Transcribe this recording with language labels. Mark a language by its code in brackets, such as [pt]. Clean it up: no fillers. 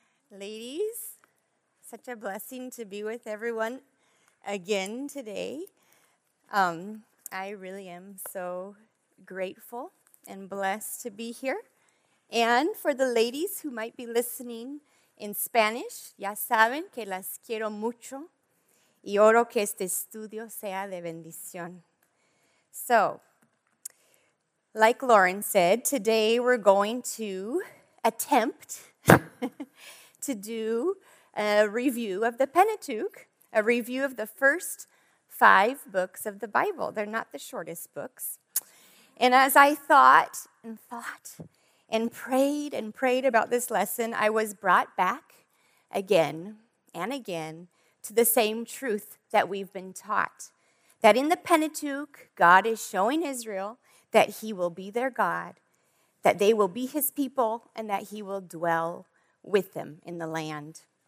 [en] Ladies, such a blessing to be with everyone again today. I really am so grateful and blessed to be here. And for the ladies who might be listening in Spanish, [es] ya saben que las quiero mucho y oro que este estudio sea de bendición. [en] So, like Lauren said, today we're going to attempt to do a review of the Pentateuch, a review of the first five books of the Bible. They're not the shortest books. And as I thought and prayed about this lesson, I was brought back again and again to the same truth that we've been taught, that in the Pentateuch, God is showing Israel that he will be their God, that they will be his people, and that he will dwell with them in the land,